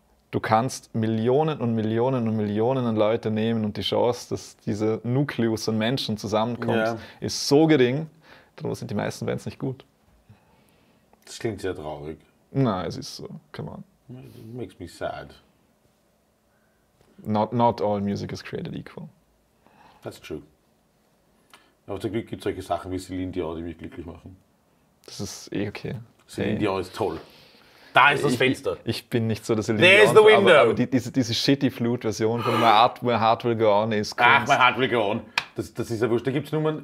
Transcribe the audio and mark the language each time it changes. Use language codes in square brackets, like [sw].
[de] du kannst Millionen und Millionen und Millionen an Leute nehmen und die Chance, dass diese Nukleus an Menschen zusammenkommt, ist so gering, darum sind die meisten Bands nicht gut. Das klingt sehr traurig. Nein, es ist so, [en] come on. It makes me sad. Not all music is created equal. That's true. [de] Aber zum Glück gibt es solche Sachen wie Celine Dion, die mich glücklich machen. Das ist eh okay. Celine Dion ist toll. Da ist das Fenster. Ich bin nicht so, dass er liebt. [en] There is the window. [de] Aber diese shitty Flute-Version von My Heart Will Go On ist Kunst. Ach, My Heart Will Go On. Das ist ja wurscht. Da gibt es nur mal...